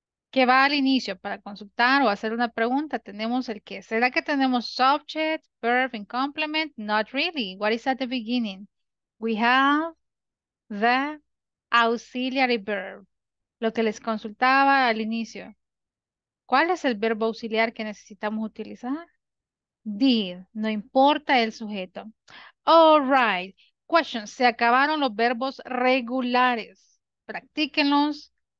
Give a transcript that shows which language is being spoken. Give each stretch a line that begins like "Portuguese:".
Spanish: ¿Qué va al inicio para consultar o hacer una pregunta? Tenemos el qué. ¿Será que tenemos
English: subject, verb, and complement? Not really. What is at the beginning? We have the Auxiliary verb.
Spanish: Lo que les consultaba al inicio. ¿Cuál es el verbo auxiliar que necesitamos utilizar? Did. No importa el sujeto.
English: All right. Question.
Spanish: Se acabaron los verbos regulares. Practíquenlos.